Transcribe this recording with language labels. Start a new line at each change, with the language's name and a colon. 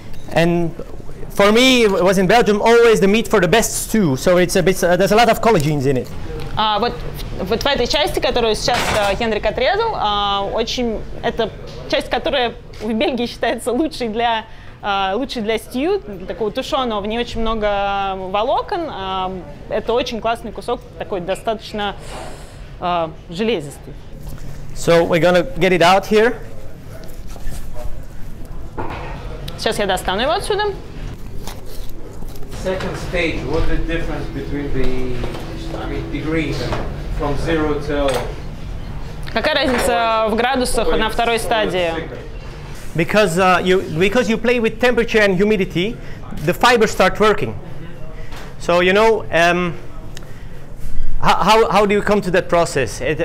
English: And for me, it was in Belgium always the meat for the best stew, so it's a bit, there's a lot of collagen in it.
Russian: Вот в этой части, которую сейчас Хендрик отрезал, очень это часть, которая в Бельгии считается лучшей для стью, такого тушеного, в ней очень много волокон. Это очень классный кусок, такой достаточно железистый.
English: So we're gonna get it out here.
Russian: Сейчас я достану его отсюда.
English: Second stage, what's the difference between the degrees from zero to...
Russian: Какая разница в градусах на второй стадии?
English: Because you play with temperature and humidity, the fibers start working. So, you know, how do you come to that process?